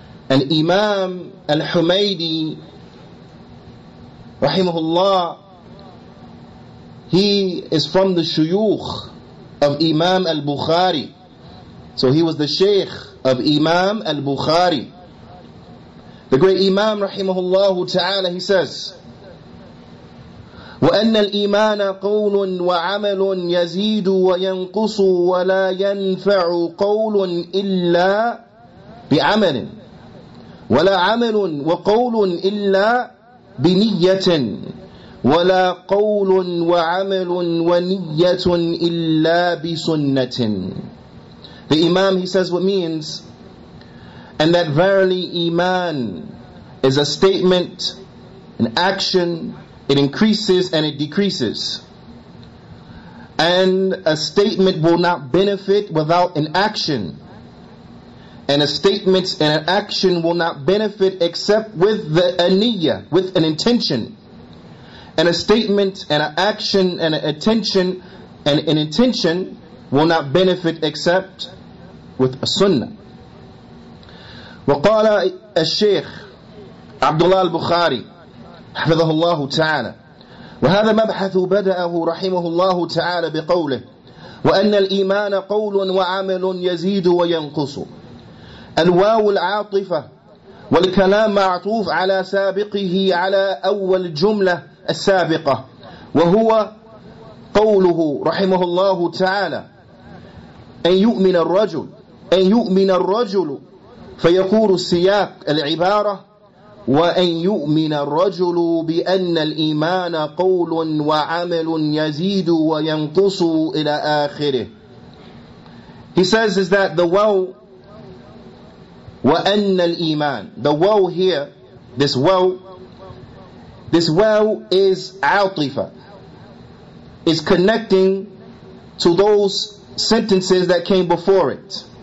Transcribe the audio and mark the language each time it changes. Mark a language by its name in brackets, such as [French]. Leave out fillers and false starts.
[English] الإمام الحميدي رحمه الله, he is from the shuyukh of Imam al-Bukhari, so he was the sheikh of Imam al-Bukhari, the great Imam رحمه الله تعالى. He says, [Arabic] وأن الإيمان قول وعمل يزيد وينقص ولا ينفع قول إلا بعمل ولا عمل وقول إلا بنية ولا قول وعمل ونية إلا بسنة. [English] The Imam, he says what means, and that verily Iman is a statement, an action. It increases and it decreases. And a statement will not benefit without an action. And a statement and an action will not benefit except with the aniyya, with an intention. And a statement and an action and an intention and an intention will not benefit except with a sunnah. [Arabic] وقال الشيخ عبد الله البخاري حفظه الله تعالى وهذا مبحث بدأه رحمه الله تعالى بقوله وأن الإيمان قول وعمل يزيد وينقص. الواو العاطفة والكلام معطوف على سابقه على أول جملة السابقة وهو قوله رحمه الله تعالى أن يؤمن الرجل فيقول السياق العبارة وَأَنْ يُؤْمِنَ الرَّجُلُ بِأَنَّ الْإِيمَانَ قَوْلٌ وَعَمَلٌ يَزِيدُ وَيَنْقُصُ إِلَىٰ آخِرِهِ. [English] He says is that the waw, [Arabic] وَأَنَّ الْإِيمَانَ, [English] the waw here, this waw is عَاطِفَ, is connecting to those sentences that came before it.